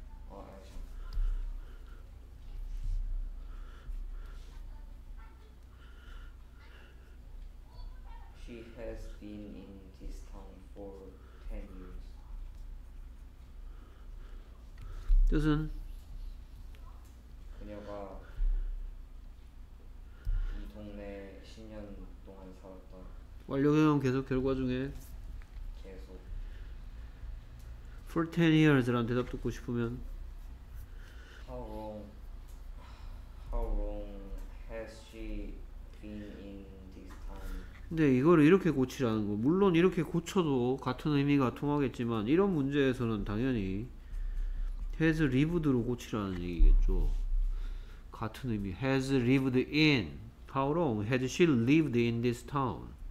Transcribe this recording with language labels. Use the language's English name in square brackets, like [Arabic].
[English] 아, She has been in this town for 10 years. [Korean] 뜻은 그녀가 이 동네 10년 동안 살았던 완료형 계속 결과 중에 계속 [English] for 10 years [Korean] 라는 대답 듣고 싶으면 [English] How long has she been in this time? [Korean] 근데 이거를 이렇게 고치라는 거. 물론 이렇게 고쳐도 같은 의미가 통하겠지만 이런 문제에서는 당연히 [English] has lived [Korean] 로 고치라는 얘기겠죠. 같은 의미. [English] Has lived in. How long has she lived in this town?